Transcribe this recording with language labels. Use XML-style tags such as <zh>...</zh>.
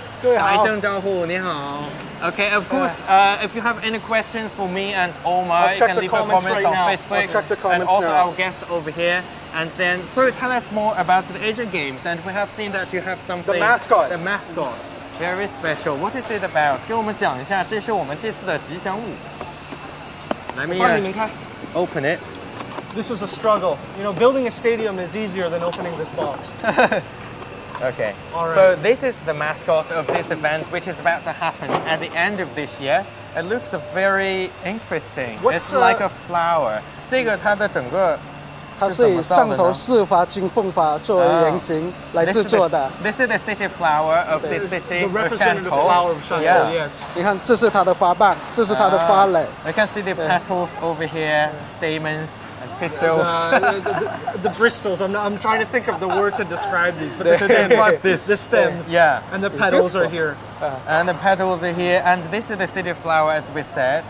<en>Okay, of course, if you have any questions for me and Omar, you can leave a comment right on Facebook. I'll check the comments and also our guest over here. And then, so tell us more about the Asian Games. And we have seen that you have something. The mascot. Very special. What is it about?</en> <zh>给我们讲一下, 这是我们这次的吉祥物.</zh> <en>Let me open it. This is a struggle. You know, building a stadium is easier than opening this box. Okay. All right. So this is the mascot of this event, which is about to happen at the end of this year. It looks very interesting. It's like a flower.</en> <zh>这个它的整个是怎么造的呢？它是以上头四花、金凤花作为原型来制作的。</zh> <en>This is the city flower of this city, the representative flower of Shantou. Yeah. Yes.</en> <zh>你看，这是它的花瓣，这是它的花蕾。</zh> <en>I can see the petals over here, stamens. and pistols. The bristles. I'm trying to think of the word to describe these, but the stems. The stems. Yeah. And the petals are here. And the petals are here. And this is the city flower, as we said.</en>